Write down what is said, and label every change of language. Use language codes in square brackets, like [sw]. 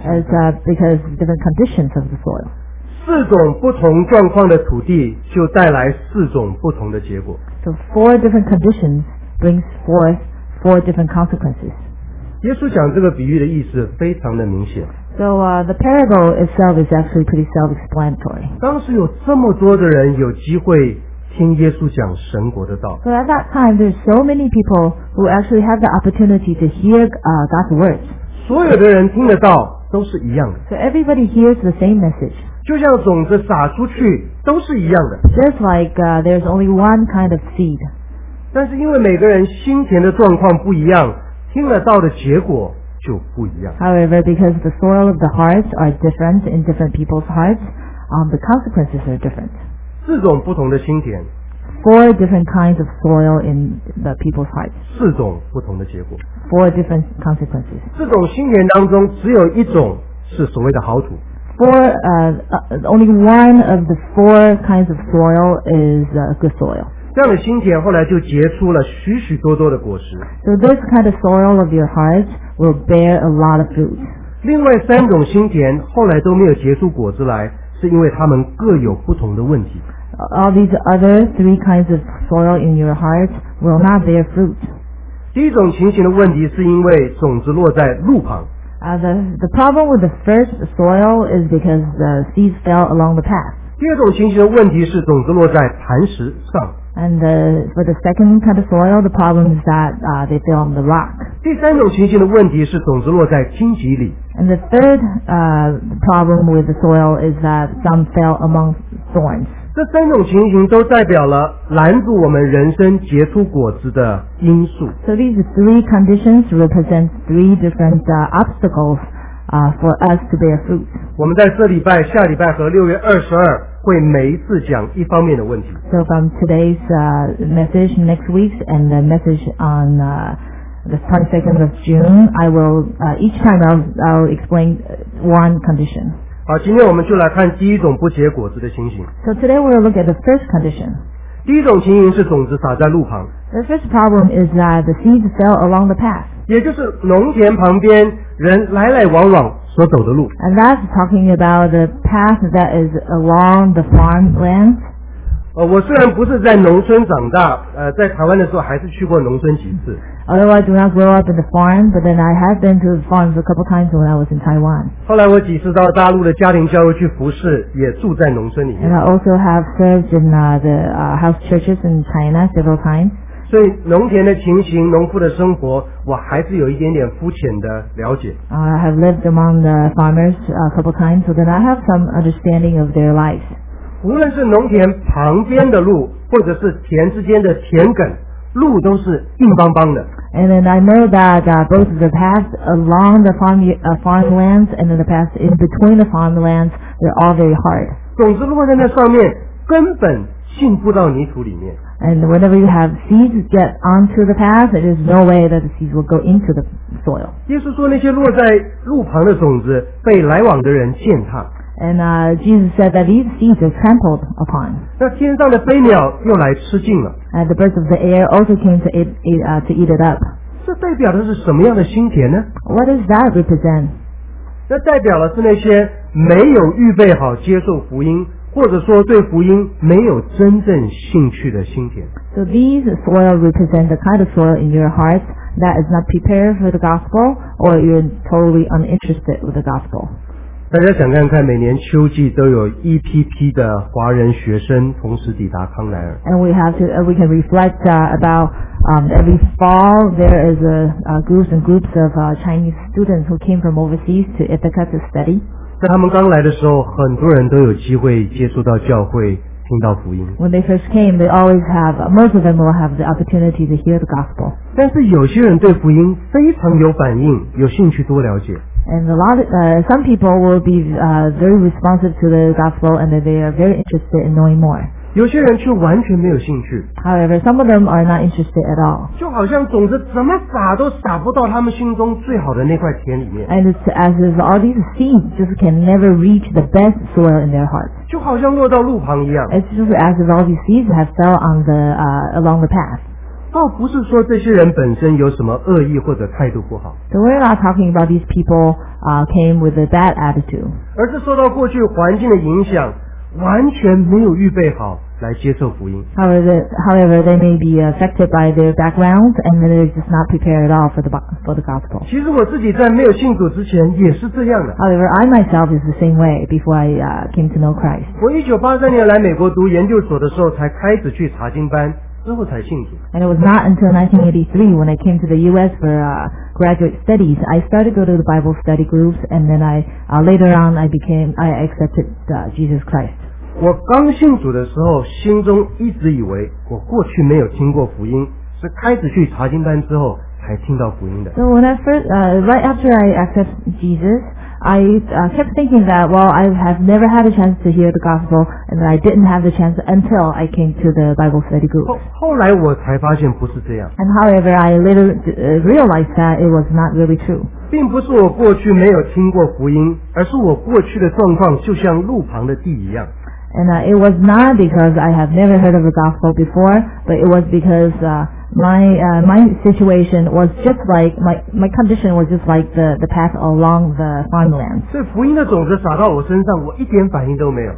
[en] It's because different conditions of the soil [zh] 四种不同状况的土地就带来四种不同的结果 [en] So four different conditions brings forth four different consequences. [zh] 耶稣讲这个比喻的意思非常的明显。 [en] So the parable itself is actually pretty self-explanatory. [zh] 当时有这么多的人有机会听耶稣讲神国的道。 [en] So at that time, there's so many people who actually have the opportunity to hear God's words. [zh] 所有的人听得到都是一样的。 [en] So everybody hears the same message. [zh] 就像种子撒出去都是一样的。 [en] Just like there's only one kind of seed. [zh] 但是因为每个人心田的状况不一样，听得到的结果就不一样。 [en] However, because the soil of the hearts are different in different people's hearts, the consequences are different. [zh] 四种不同的心田。 [en] Four different kinds of soil in the people's hearts. [zh] 四种不同的结果。 [en] Four different consequences. [zh] 四种心田当中只有一种是所谓的好土。 [en] Only one of the four kinds of soil is good soil. [zh] 这样的心田后来就结出了许许多多的果实。 [en] So this kind of soil of your heart will bear a lot of fruit. [zh] 另外三种心田后来都没有结出果子来，是因为它们各有不同的问题。 [en] All these other three kinds of soil in your heart will not bear fruit. [zh] 第一种情形的问题是因为种子落在路旁。 [en] The problem with the first soil is because the seeds fell along the path. [zh] 第二种情形的问题是种子落在磐石上。 [en] And for the second kind of soil, the problem is that they fell on the rock. [zh] 第三种情形的问题是种子落在荆棘里。 [en] And the third problem with the soil is that some fell among thorns. [zh] 这三种情形都代表了拦住我们人生结出果子的因素。 [en] So these three conditions represent three different obstacles for us to bear fruit. [zh] 我们在这礼拜、下礼拜和6月22会每一次讲一方面的问题。 [en] So from today's message, next week's, and the message on the 22nd of June, I will each time I'll explain one condition. [zh] 好，今天我们就来看第一种不结果子的情形。 [en] So today we'll look at the first condition. [zh] 第一种情形是种子撒在路旁。 [en] The first problem is that the seeds fell along the path. [zh] 也就是农田旁边人来来往往。 [en] And that's talking about the path that is along the farmland. [zh] 我虽然不是在农村长大，在台湾的时候还是去过农村几次。 [en] Although I do not grow up in the farm, but then I have been to the farms a couple times when I was in Taiwan. [zh] 后来我几次到大陆的家庭教会去服侍，也住在农村里面。 [en] And I also have served in the house churches in China several times. [zh] 所以农田的情形，农夫的生活，我还是有一点点肤浅的了解。 [en] I have lived among the farmers a couple times, so that I have some understanding of their lives. [zh] 无论是农田旁边的路，或者是田之间的田埂，路都是硬邦邦的。 [en] And then I know that both the paths along the farmlands and then the paths in between the farmlands, they're all very hard. [zh] 种子落在那上面，根本进不到泥土里面。 [en] And whenever you have seeds get onto the path, there is no way that the seeds will go into the soil. [zh] 耶稣说那些落在路旁的种子被来往的人践踏。 [en] And Jesus said that these seeds are trampled upon. [zh] 那天上的飞鸟又来吃尽了。 [en] And the birds of the air also came to eat it up. [zh] 这代表的是什么样的心田呢？ [en] What does that represent? [zh] 那代表的是那些没有预备好接受福音，或者说对福音没有真正兴趣的心田。 [en] So these soil represent the kind of soil in your heart that is not prepared for the gospel or you're totally uninterested with the gospel. [zh] 大家想看看每年秋季都有一批批的华人学生同时抵达康乃尔。 [en] And we can reflect about every fall there is groups and groups of Chinese students who came from overseas to Ithaca to study. [zh] 在他们刚来的时候，很多人都有机会接触到教会，听到福音。 [en] When they first came, they always have, most of them will have the opportunity to hear the gospel. [zh] 但是有些人对福音非常有反应，有兴趣多了解。 [en] And a lot of, some people will be very responsive to the gospel and they are very interested in knowing more. [zh] 有些人却完全没有兴趣。 [en] However, some of them are not interested at all. [zh] 就好像种子怎么撒都撒不到他们心中最好的那块田里面。 [en] And it's as if all these seeds just can never reach the best soil in their hearts. [zh] 就好像落到路旁一样。 [en] It's just as if all these seeds have fell on the, along the path. [zh] 倒不是说这些人本身有什么恶意或者态度不好。 [en] So we're not talking about these people, came with a bad attitude. [zh] 而是受到过去环境的影响，完全没有预备好来接受福音。 [en] However, they may be affected by their background and they're just not prepared at all for the gospel. [zh] 其实我自己在没有信主之前也是这样的。 [en] However, I myself is the same way before I came to know Christ. [zh] 我1983年来美国读研究所的时候才开始去查经班。 [en] And it was not until 1983 when I came to the U.S. for graduate studies. I started to go to the Bible study groups, and then I accepted Jesus Christ. [zh] 我刚信主的时候，心中一直以为我过去没有听过福音，是开始去查经班之后才听到福音的。 [en] So when I first, right after I accepted Jesus, I kept thinking that, well, I have never had a chance to hear the gospel, and I didn't have the chance until I came to the Bible study group. [zh] 后来我才发现不是这样。 [en] And however, I later realized that it was not really true. [zh] 并不是我过去没有听过福音，而是我过去的状况就像路旁的地一样。 [en] And it was not because I have never heard of the gospel before, but it was because my situation was just like, my condition was just like the path along the farmland. [zh] 所以福音的种子撒到我身上，我一点反应都没有。